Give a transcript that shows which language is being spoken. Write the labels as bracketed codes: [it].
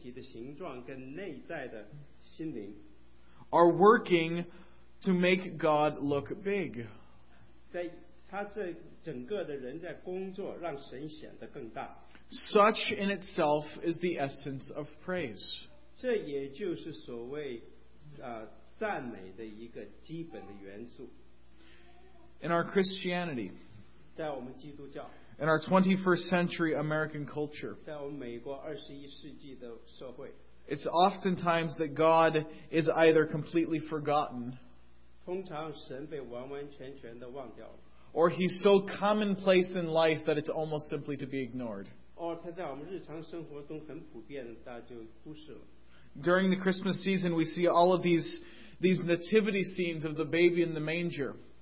[zh] 包括她外在的身体的形状跟内在的心灵。 [en] Are working to make God look big. [zh] 她这整个的人在工作，让神显得更大。 [en] Such in itself is the essence of praise. [zh] 这也就是所谓赞美的一个基本的元素。 [en] In our Christianity, [zh] 在我们基督教, [en] in our 21st century American culture, [zh] 在我们美国21世纪的社会, [en] it's oftentimes that God is either completely forgotten, [zh] 通常神被完完全全地忘掉了, [en] or he's so commonplace in life that it's almost simply to be ignored. [zh] Or 他在我们日常生活中很普遍, 大家就忽视了。 [en] During the Christmas season, we see all of these nativity scenes of the baby in the manger.